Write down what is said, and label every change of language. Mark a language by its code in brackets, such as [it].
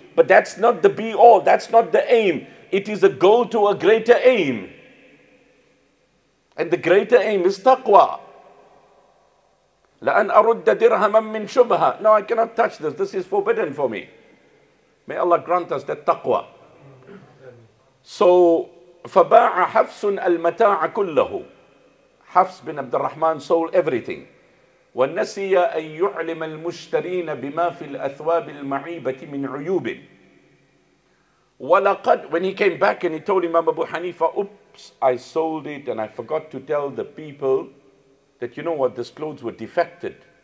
[en] But that's not the be all. That's not the aim. It is a goal to a greater aim. And the greater aim is taqwa. [ar] لَأَنْ أَرُدَّ دِرْهَمًا مِّنْ شُبْهَا. [en] No, I cannot touch this. This is forbidden for me. May Allah grant us that taqwa. [ar] So, فَبَاعَ حَفْسٌ الْمَتَاعَ كُلَّهُ. [en] Hafs bin Abdul Rahman sold everything. [ar] وَنَسِيَ أَن يُعْلِمَ الْمُشْتَرِينَ بِمَا فِي الْأَثْوَابِ الْمَعِيبَةِ مِنْ عُيُوبٍ. وَلَقَدْ, [en] when he came back and he told Imam Abu Hanifa, oops, I sold it and I forgot to tell the people that, you know what, these clothes were defected.